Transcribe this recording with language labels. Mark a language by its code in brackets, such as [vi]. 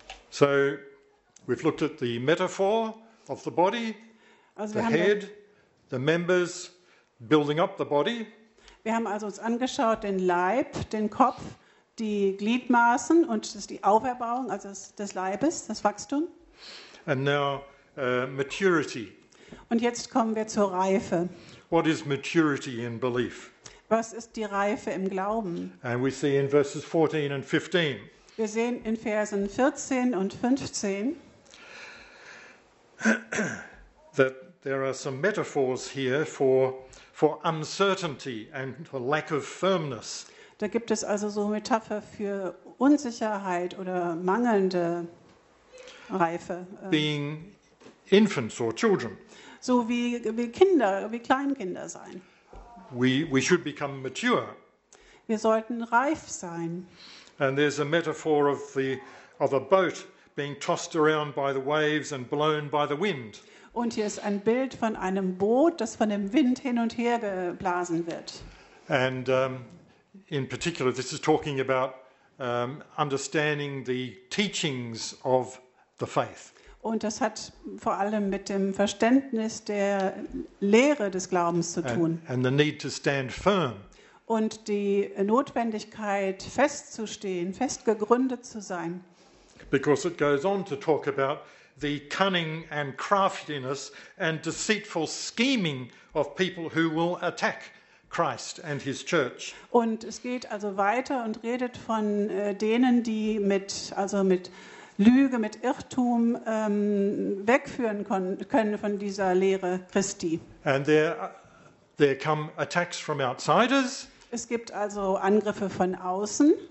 [en] So we've looked at the metaphor of the body, [de] also [en] the head, the members building up the body. [de] Wir haben also uns angeschaut den Leib, den Kopf, die Gliedmaßen und das ist die Auferbauung, also des Leibes, das Wachstum. [en] And now maturity. [de] Und jetzt kommen wir zur Reife. [en] What is maturity in belief? [de] Was ist die Reife im Glauben? [en] And we see in verses 14 and 15. [de] Wir sehen in Versen 14 und 15 [en] that there are some metaphors here for uncertainty and for lack of firmness. [de] Da gibt es also so Metapher für Unsicherheit oder mangelnde Reife. [en] Being infants or children. [de] So wie Kinder, wie Kleinkinder sein. [en] We should become mature. [de] Wir sollten reif sein. [en] And there's a metaphor of a boat being tossed around by the waves and blown by the wind. [de] Und hier ist ein Bild von einem Boot, das von dem Wind hin und her geblasen wird. [en] And in particular, this is talking about understanding the teachings of the faith. [de] Und das hat vor allem mit dem Verständnis der Lehre des Glaubens zu tun. [en] And the need to stand firm. [de] Und die Notwendigkeit, festzustehen, festgegründet zu sein. [en] Because it goes on to talk about the cunning and craftiness and deceitful scheming of people who will attack Christ and his church. [de] Und es geht also weiter und redet von denen, die mit Lüge, mit Irrtum wegführen können von dieser Lehre Christi. [en] And there come attacks from outsiders. [de] Es gibt also Angriffe von außen.